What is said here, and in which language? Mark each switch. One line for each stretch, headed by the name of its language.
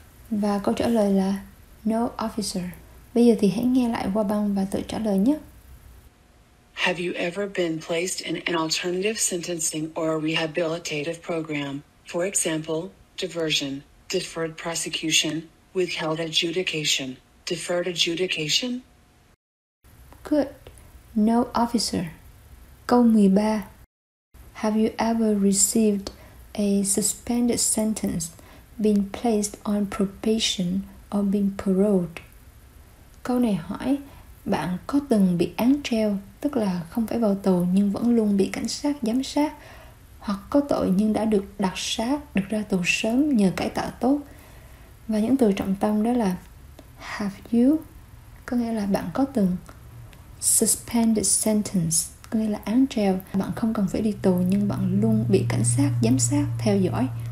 Vietnamese: Và câu trả lời là
English: no, officer.
Vietnamese: Bây giờ thì hãy nghe lại qua băng và tự trả lời nhé.
English: Have you ever been placed in an alternative sentencing or a rehabilitative program? For example, diversion, deferred prosecution, withheld adjudication, deferred adjudication? Good. No, officer.
Vietnamese: Câu 13.
English: Have you ever received a suspended sentence, been placed on probation, or been paroled?
Vietnamese: Câu này hỏi: bạn có từng bị án treo, tức là không phải vào tù nhưng vẫn luôn bị cảnh sát giám sát, hoặc có tội nhưng đã được đặc xá, được ra tù sớm nhờ cải tạo tốt? Và những từ trọng tâm đó là
English: have you,
Vietnamese: có nghĩa là bạn có từng,
English: suspended sentence,
Vietnamese: có nghĩa là án treo, bạn không cần phải đi tù nhưng bạn luôn bị cảnh sát giám sát theo dõi.